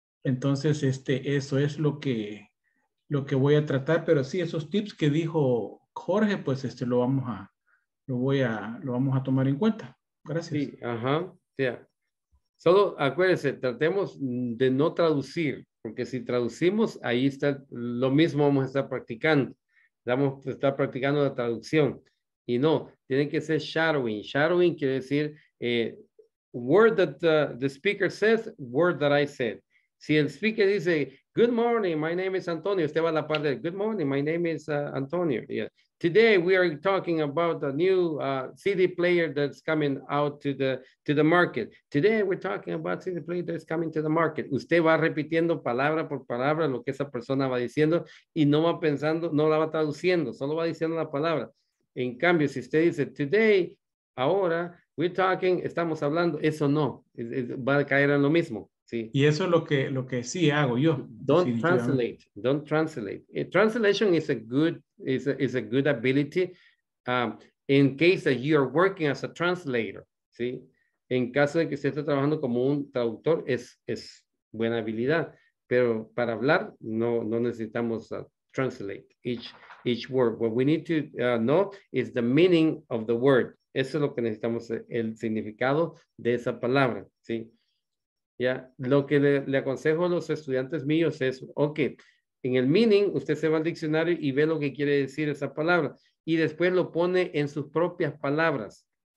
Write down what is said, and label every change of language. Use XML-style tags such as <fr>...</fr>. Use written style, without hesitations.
<es>Entonces, eso es lo que voy a tratar, pero sí, esos tips que dijo Jorge, pues lo vamos a tomar en cuenta. Gracias. Sí, ajá. Yeah. Solo acuérdense, tratemos de no traducir, porque si traducimos, ahí está lo mismo, vamos a estar practicando. Vamos a estar practicando la traducción. Y no, tiene que ser shadowing. Shadowing quiere decir</es> <en>word that the speaker says, word that I said.</en> <es>Si el speaker dice,</es> <en>good morning, my name is Antonio.</en> <es>Usted va a la parte,</es> <en>good morning, my name is Antonio. Yeah. Today we are talking about a new CD player that's coming out to the market. Today we're talking about CD player that's coming to the market.</en> <es>Usted va repitiendo palabra por palabra lo que esa persona va diciendo y no va pensando, no la va traduciendo, solo va diciendo la palabra. En cambio, si usted dice, today, ahora,</es> <en>we're talking,</en> <es>estamos hablando, eso no, va a caer en lo mismo. Sí. Y eso es lo que sí hago yo.</es> <en>Don't translate. Translation is a good ability in case that you are working as a translator.</en> <es>Sí. En caso de que usted esté trabajando como un traductor, es buena habilidad. Pero para hablar, no necesitamos</es> <en>translate each word. What we need to know is the meaning of the word.</en> <es>Eso es lo que necesitamos, el significado de esa palabra. Sí. Ya, lo que le aconsejo a los estudiantes míos es, ok, en el meaning usted se va al diccionario y ve lo que quiere decir esa palabra y después lo pone en sus propias palabras.</es>